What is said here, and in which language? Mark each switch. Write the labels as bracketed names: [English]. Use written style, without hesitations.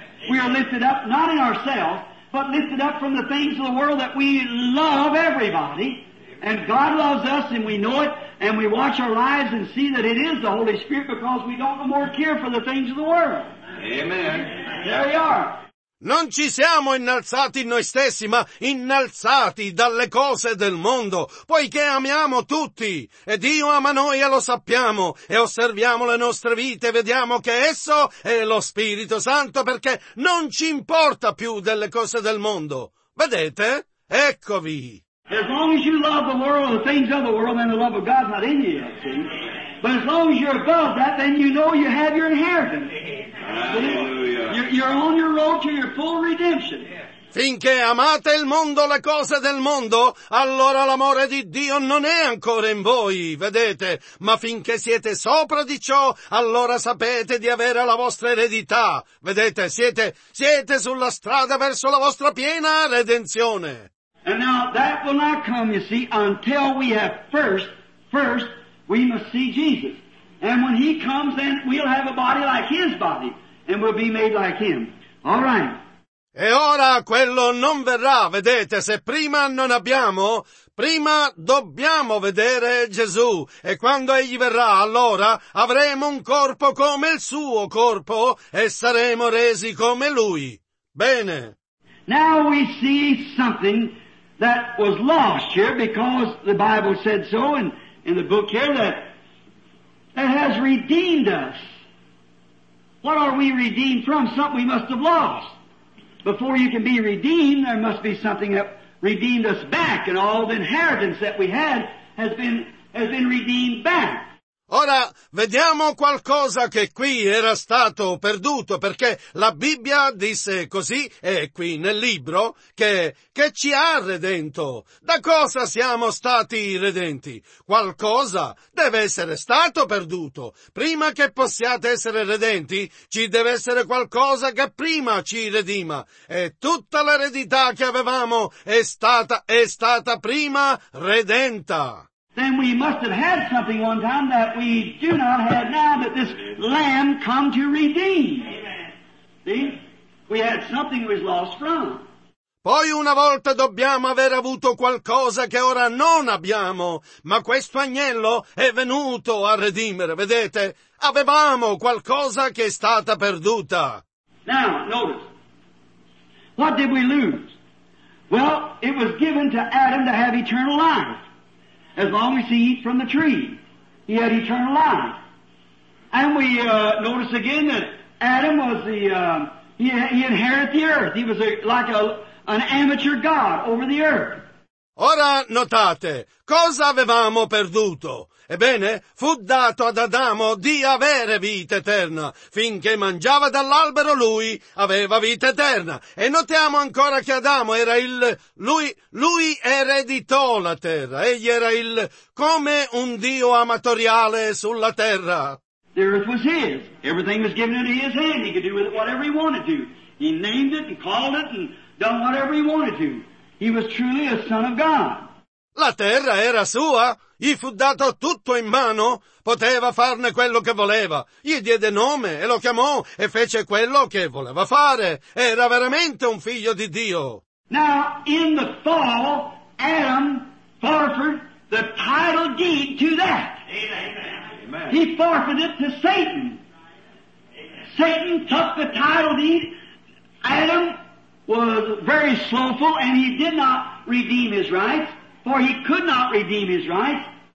[English] We are lifted up, not in ourselves, but lifted up from the things of the world that we love everybody. And God loves us and we know it and we watch our lives and see that it is the Holy Spirit because we don't no more care for the things of the world. Amen. There we are. [Italian] Non ci siamo innalzati noi stessi, ma innalzati dalle cose del mondo, poiché amiamo tutti, e Dio ama noi e lo sappiamo, e osserviamo le nostre vite e vediamo che esso è lo Spirito Santo perché non ci importa più delle cose del mondo. Vedete? Eccovi. [English] As long as you love the world and the things of the world, then the love of God's not in you, see? But as long as you're above that, then you know you have your inheritance. Hallelujah. You're on your road to your full redemption. [Italian] Finché amate il mondo, le cose del mondo, allora l'amore di Dio non è ancora in voi, vedete? Ma finché siete sopra di ciò, allora sapete di avere la vostra eredità, vedete? Siete sulla strada verso la vostra piena redenzione. [English] And now that will not come, you see, until we have first we must see Jesus. And when he comes, then we'll have a body like his body, and we'll be made like him. All right. [Italian] E ora quello non verrà, vedete, se prima non abbiamo, prima dobbiamo vedere Gesù, e quando Egli verrà, allora avremo un corpo come il suo corpo, e saremo resi come Lui. Bene. [English] Now we see something that was lost here, because the Bible said so in the book here, that has redeemed us. What are we redeemed from? Something we must have lost. Before you can be redeemed, there must be something that redeemed us back, and all the inheritance that we had has been redeemed back. [Italian] Ora vediamo qualcosa che qui era stato perduto, perché la Bibbia disse così, e qui nel libro, che ci ha redento. Da cosa siamo stati redenti? Qualcosa deve essere stato perduto. Prima che possiate essere redenti, ci deve essere qualcosa che prima ci redima. E tutta l'eredità che avevamo è stata prima redenta. [English] Then we must have had something one time that we do not have now, that this Lamb come to redeem. Amen. See? We had something we lost from. [Italian] Poi una volta dobbiamo aver avuto qualcosa che ora non abbiamo, ma questo agnello è venuto a redimere, vedete? Avevamo qualcosa che è stata perduta. [English] Now, notice. What did we lose? Well, it was given to Adam to have eternal life. As long as he eat from the tree, he had eternal life. And we notice again that Adam was he inherited the earth. He was like an amateur god over the earth. [Italian] Ora notate, cosa avevamo perduto? Ebbene, fu dato ad Adamo di avere vita eterna. Finché mangiava dall'albero, lui aveva vita eterna. E notiamo ancora che Adamo era lui ereditò la terra. Egli era il, come un Dio amatoriale sulla terra. [English] The earth was his. Everything was given into his hand. He could do with it whatever he wanted to. He named it and called it and done whatever he wanted to. He was truly a son of God. [Italian] La terra era sua, gli fu dato tutto in mano, poteva farne quello che voleva. Gli diede nome e lo chiamò e fece quello che voleva fare. Era veramente un figlio di Dio. [English] Now, in the fall, Adam forfeited the title deed to that. Amen. He forfeited it to Satan. Amen. Satan took the title deed. Adam was very slothful, and he did not redeem his rights, for he could not redeem his rights.